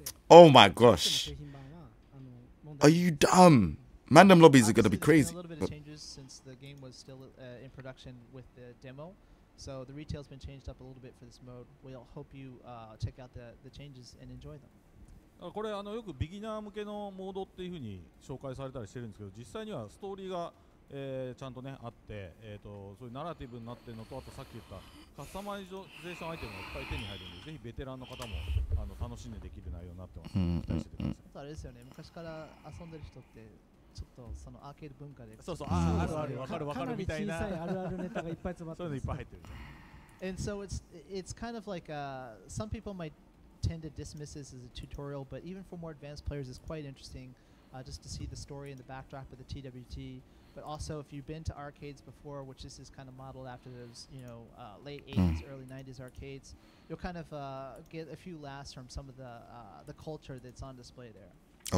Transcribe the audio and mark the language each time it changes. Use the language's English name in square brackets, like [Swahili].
[English] Oh my gosh. Are you dumb? Mandem lobbies are going to be crazy. A little bit of changes since the game was still in production with the demo. So the retail's been changed up a little bit for this mode. We'll hope you check out the changes and enjoy them. [Japanese] これあのよくビギナー向けのモードっていうふうに紹介されたりしてるんですけど、実際にはストーリーが、ちゃんとねあって、そういうナラティブになってるのと、あとさっき言ったカスタマイゼーションアイテムがいっぱい手に入るんで、ぜひベテランの方もあの楽しんでできる内容になってます。あとあれですよね、昔から遊んでる人ってちょっとそのアーケード文化で、そうそう、あるある、わかるわかるみたいな、かなり小さいあるあるネタがいっぱい詰まってる、そういうのいっぱい入ってる。 [English] And so it's kind of like some people might tend to dismiss this as a tutorial, but even for more advanced players, it's quite interesting just to see the story and the backdrop of the TWT. But also, if you've been to arcades before, which this is kind of modeled after those, you know, late 80s, early 90s arcades, you'll kind of get a few laughs from some of the culture that's on display there.